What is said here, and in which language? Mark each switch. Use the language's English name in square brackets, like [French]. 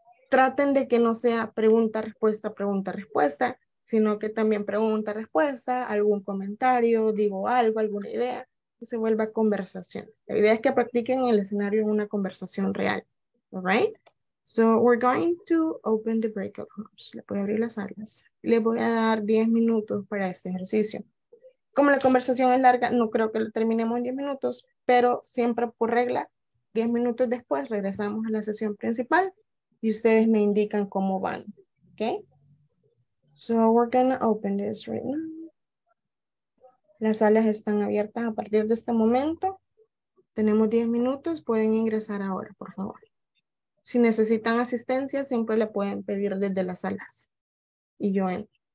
[Spanish] Traten de que no sea pregunta-respuesta, pregunta-respuesta, sino que también pregunta-respuesta, algún comentario, digo algo, alguna idea, y se vuelva conversación. La idea es que practiquen el escenario en una conversación real. [English] All right? So we're going to open the breakout rooms. [Spanish] Le voy a abrir las salas. Le voy a dar 10 minutos para este ejercicio. Como la conversación es larga, no creo que lo terminemos en 10 minutos, pero siempre por regla, 10 minutos después regresamos a la sesión principal y ustedes me indican cómo van. ¿Ok? [English] So we're going to open this right now. [Spanish] Las salas están abiertas a partir de este momento. Tenemos 10 minutos, pueden ingresar ahora, por favor. Si necesitan asistencia, siempre la pueden pedir desde las salas. Y yo entro.